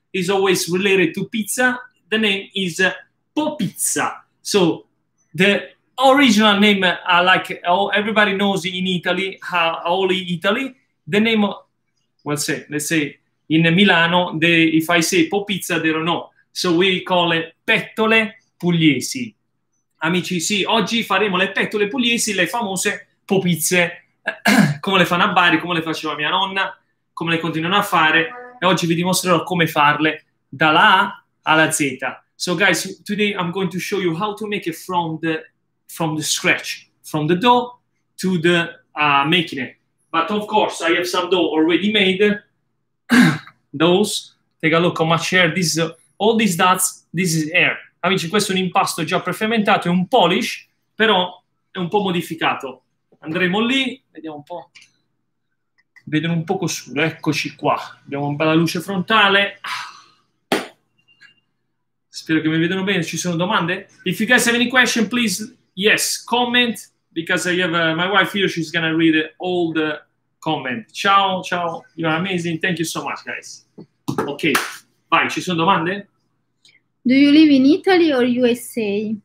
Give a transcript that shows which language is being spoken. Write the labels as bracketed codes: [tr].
[en] It's always related to pizza. The name is Popizza. So the original name, like everybody knows in Italy, all Italy, the name, let's say, in Milano, if I say Popizza, they don't know. So we call it pettole pugliesi. [it] Amici, sì, oggi faremo le pettole pugliesi, le famose popizze, come le fanno a Bari, come le faceva mia nonna, come le continuano a fare, e oggi vi dimostrerò come farle dalla A alla Z. [en] So guys, today I'm going to show you how to make it from the scratch, from the dough to the making it. But of course, I have some dough already made. Those, take a look how much air this is, all these dots, this is air. [it] Amici, questo è un impasto già prefermentato, è un polish, però è un po' modificato. Andremo lì, vediamo un po'. Vedono un poco su, eccoci qua. Abbiamo una bella luce frontale. Spero che mi vedano bene, ci sono domande? [en] If you guys have any question, please, yes, comment, because I have my wife here, she's gonna read all the comment. Ciao, you are amazing, thank you so much, guys. [it] Ok, vai, ci sono domande? [en] Do you live in Italy or USA?